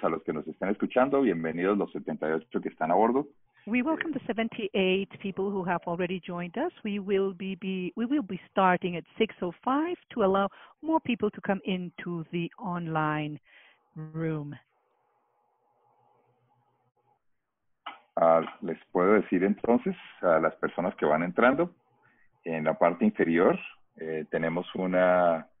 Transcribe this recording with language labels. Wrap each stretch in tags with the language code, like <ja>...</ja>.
<es>A los que nos están escuchando, bienvenidos los 78 que están a bordo.</es> <en>We welcome the 78 people who have already joined us. We will be starting at 6:05 to allow more people to come into the online room.</en> <es>Les puedo decir entonces a las personas que van entrando, en la parte inferior tenemos una...</es>